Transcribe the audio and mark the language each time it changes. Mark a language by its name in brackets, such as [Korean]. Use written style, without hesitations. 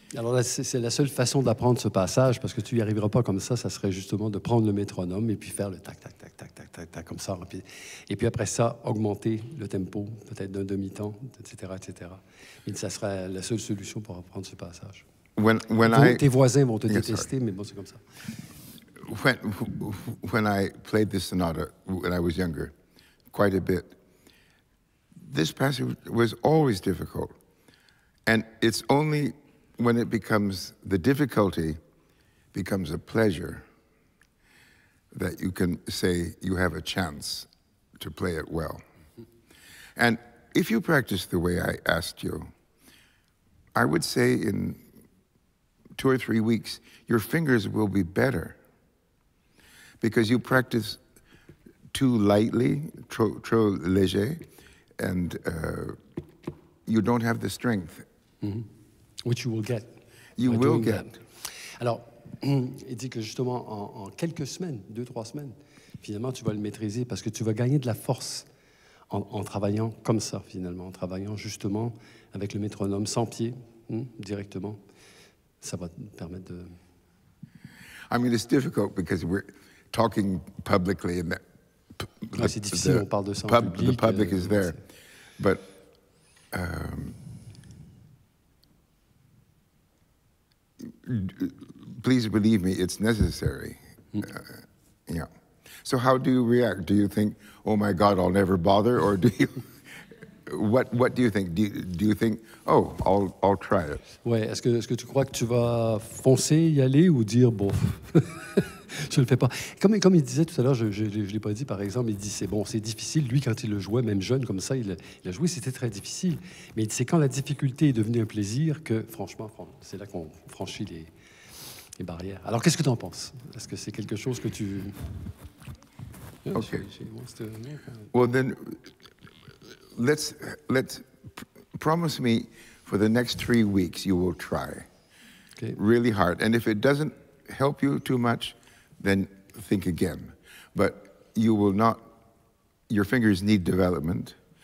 [French] Alors là, c'est la seule façon d'apprendre ce passage, parce que tu n'y arriveras pas comme ça, ça serait justement de prendre le métronome et puis faire le tac, tac, tac, tac, tac, tac, tac, comme ça. Et puis après ça, augmenter le tempo, peut-être d'un demi-temps, etc., etc. Mais ça serait la seule solution pour apprendre ce passage. Tes voisins vont te détester, mais bon, c'est comme ça. [English] When I played this sonata when I was younger, quite a bit, this passage was always difficult. And it's only... when it becomes, the difficulty becomes a pleasure, that you can say you have a chance to play it well. And if you practice the way I asked you, I would say in 2 or 3 weeks, your fingers will be better, because you practice too lightly, [French] trop léger, [English] and you don't have the strength. Mm-hmm. Which you will get. You will get. That. [French] Alors, il dit que justement, en quelques semaines, 2-3 semaines, finalement, tu vas le maîtriser parce que tu vas gagner de la force en travaillant comme ça, finalement, en travaillant justement avec le métronome sans pied, directement. Ça va te permettre de... [English] I mean, it's difficult because we're talking publicly. In that, [French] ouais, c'est difficile, on parle de ça en public. [English] The public is there. But... please believe me, it's necessary. Yeah. So how do you react? Do you think, oh my God, I'll never bother? Or do you, what do you think? Do you think, oh, I'll try it? [French] Ouais, est-ce que tu crois que tu vas foncer, y aller, ou dire, bon, je le fais pas? Comme il disait tout à l'heure, je l'ai pas dit, par exemple, il dit, c'est bon, c'est difficile. Lui, quand il le jouait, même jeune, comme ça, il a joué, c'était très difficile. Mais il dit, c'est quand la difficulté est devenue un plaisir que, franchement, c'est là qu'on franchit les barrières. Alors, qu'est-ce que tu en penses? Est-ce que c'est quelque chose que tu... [English] Okay. Well, then, let's promise me for the next 3 weeks you will try really hard. And if it doesn't help you too much, then think again. But you will not, your fingers need development.